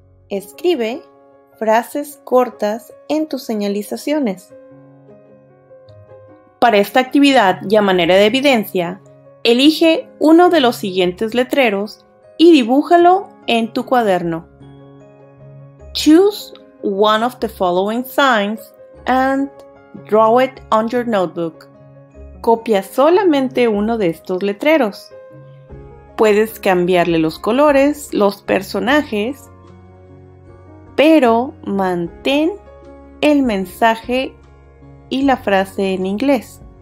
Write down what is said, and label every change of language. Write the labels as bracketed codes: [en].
[es] Escribe frases cortas en tus señalizaciones. Para esta actividad y a manera de evidencia, elige uno de los siguientes letreros y dibújalo en tu cuaderno. [en] Choose one of the following signs and draw it on your notebook. [es] Copia solamente uno de estos letreros. Puedes cambiarle los colores, los personajes, pero mantén el mensaje y la frase en inglés.